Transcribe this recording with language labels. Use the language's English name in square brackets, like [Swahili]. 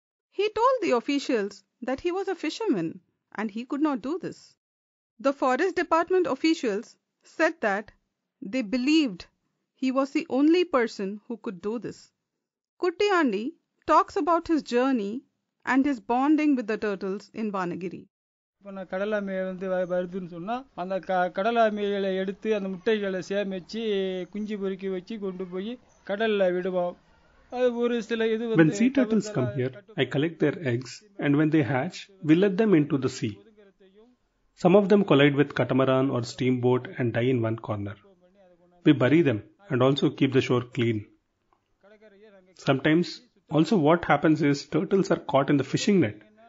[English] He told the officials that he was a fisherman and he could not do this. The forest department officials said that they believed he was the only person who could do this. Kutti Andi talks about his journey and his bonding with the turtles in Vanagiri. [Tamil] பண்ண கடலாமையை வந்து வருதுன்னு சொன்னால் அந்த கடலாமையை எடுத்து அந்த முட்டைகளை சேமிச்சு குஞ்சு பொறுக்கி வச்சு கொண்டு போய் கடலில் விடுவோம். அது ஒரு சில இது [English] வந்து When sea turtles come here, I collect their eggs and when they hatch, we let them into the sea. Some of them collide with catamaran or steamboat and die in one corner. We bury them and also keep the shore clean. Sometimes, also what happens is turtles are caught in the fishing net.